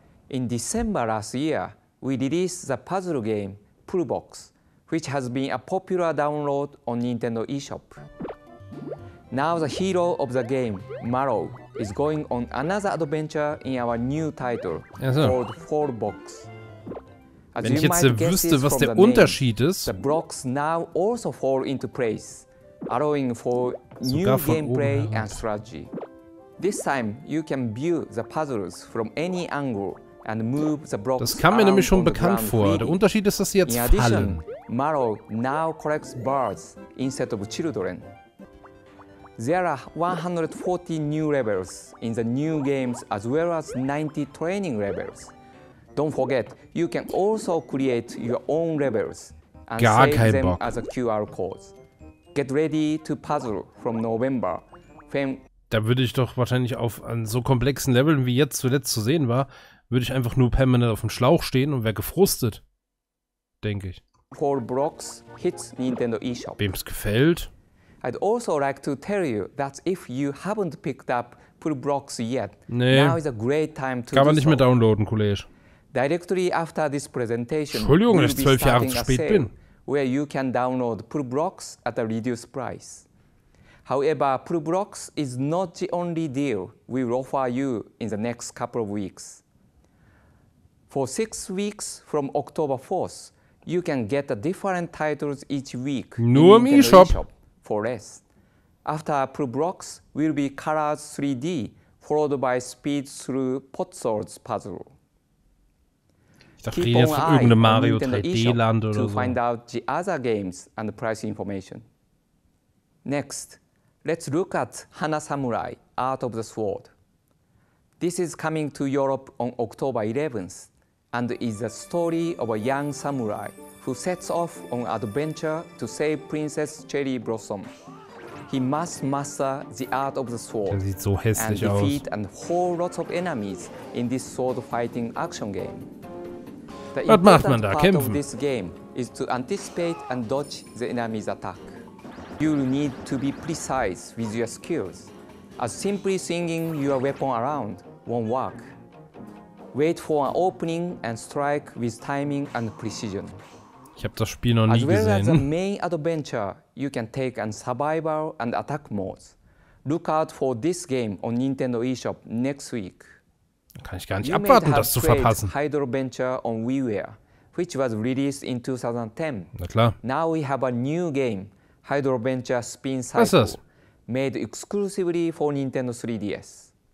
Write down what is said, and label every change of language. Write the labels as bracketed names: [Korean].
[English] In December last year, we released the puzzle game Pullbox, which has been a popular download on Nintendo eShop. Now the hero of the game, Maro, is going on another adventure in our new title called Fallbox. [German] Wenn ich jetzt wüsste, was der Unterschied ist. [English] The blocks now also fall into place, allowing for new gameplay and strategy. This time you can view the puzzles from any angle and move the blocks. [German] Das kam mir nämlich schon bekannt vor. Der Unterschied ist, dass sie jetzt fallen. [English] Maro now collects birds instead of children. There are 140 new levels in the new games as well as 90 training levels. Don't forget, you can also create your own levels and [German] gar [English] save [German] kein [English] them [German] Bock. [English] As a QR code. Get ready to puzzle from November. [German] Da würde ich doch wahrscheinlich auf an so komplexen Leveln wie jetzt zuletzt zu sehen war, würde ich einfach nur permanent auf dem Schlauch stehen und wäre gefrustet, denke ich. [English] For blocks hits Nintendo eShop. [German] Wem's gefällt. [English] I'd also like to tell you that if you haven't picked up Pull Blocks yet, [German] nee. [English] Now is a great time to. [German] Kann man nicht mehr downloaden, Kollege. [English] Directly after this presentation, [German] Entschuldigung, dass ich 12 Jahre zu spät bin. [English] Where you can download Pull Blocks at a reduced price. However, Pull Blocks is not the only deal we will offer you in the next couple of weeks. For 6 weeks from October 4th, you can get a different titles each week. [German] Nur im eShop. [English] For less. After Pull Blocks will be Colors 3D, followed by Speed Through Pot Swords Puzzle. [German] Ich dachte, jetzt von irgendeinem Mario 3D-Land oder so. [English] To find out the other games and the price information. Next, let's look at Hana Samurai, Art of the Sword. This is coming to Europe on October 11th and is the story of a young samurai who sets off on adventure to save Princess Cherry Blossom. He must master the art of the sword and defeat and whole lots of enemies in this sword-fighting action game. [German] Was macht man da? Kämpfen. [English] Part of this game is to anticipate and dodge the enemy's attack. You'll need to be precise with your skills, as simply swinging your weapon around won't work. Wait for an opening and strike with timing and precision. [German] Ich habe das Spiel noch nie gesehen. [English] As well as the main adventure, you can take on survival and attack modes. Look out for this game on Nintendo eShop next week. [German] Kann ich gar nicht abwarten, das zu verpassen. [English] Hydro Venture on WiiWare, which was released in 2010. [German] Na klar. [English] Now we have a new game, Hydro Venture Spin Cycle, made exclusively for Nintendo 3DS.